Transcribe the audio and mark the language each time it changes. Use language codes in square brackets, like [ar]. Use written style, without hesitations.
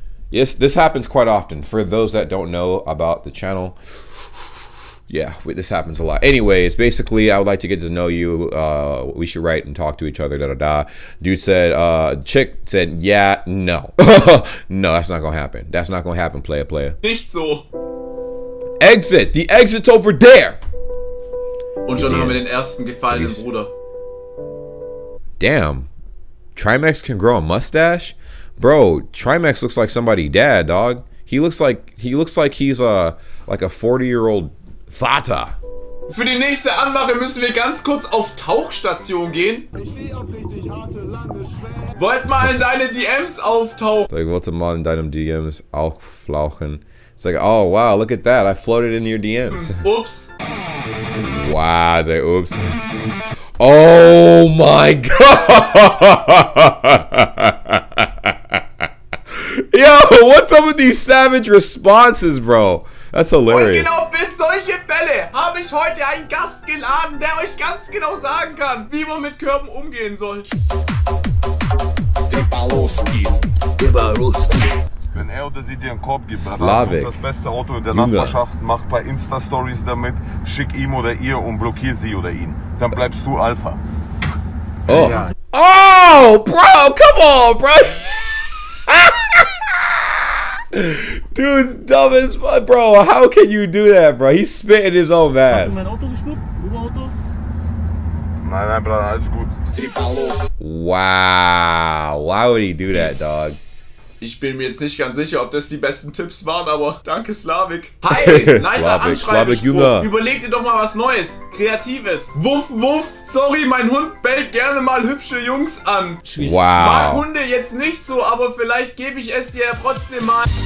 [en] Yes, this happens quite often. For those that don't know about the channel, yeah, this happens a lot. Anyways, basically, I would like to get to know you. We should write and talk to each other, da-da-da. Dude said, chick said, yeah, no. No, that's not gonna happen. That's not gonna happen, player, player. [de] Nicht so. [en] Exit! The exit's over there! [de] Und schon haben wir den ersten gefallenen Bruder. [en] Damn. Trimax can grow a mustache? Bro, Trimax looks like somebody's dad, dog. He looks like he's a 40-year-old Vater. [de] Für die nächste Anmache müssen wir ganz kurz auf Tauchstation gehen. Wollt mal in deine DMs auftauchen. Ich wollte mal in deinem DMs auftauchen. [en] It's like, oh wow, look at that. I floated in your DMs. Oops. Wow, der Oops. Oh my god. Yo, what's up with these savage responses, bro? That's hilarious. [de] Und genau bis solche Fälle habe ich heute einen Gast geladen, der euch ganz genau sagen kann, wie man mit Körben umgehen soll. Wenn er oder sie dir einen Korb gibt, dann hast du das beste Auto in der Nachbarschaft, mach ein paar Insta-Stories damit, schick ihm oder ihr und blockier sie oder ihn. Dann bleibst du Alpha. [en] Oh, ja. Oh bro, come on, bro. Dude's dumb as fuck, bro. How can you do that, bro? He's spitting his own ass. [de] Hast du mein Auto gespuckt? Nein, nein, Bruder, alles gut. [en] Wow, why would he do that, dog? [de] Ich bin mir jetzt nicht ganz sicher, ob das die besten Tipps waren, aber danke, Slavik. Hi, nice Anschreibe. Überleg dir doch mal was Neues, Kreatives. Wuff, wuff, sorry, mein Hund bellt gerne mal hübsche Jungs an. Wow. War Hunde jetzt nicht so, aber vielleicht gebe ich es dir ja trotzdem mal.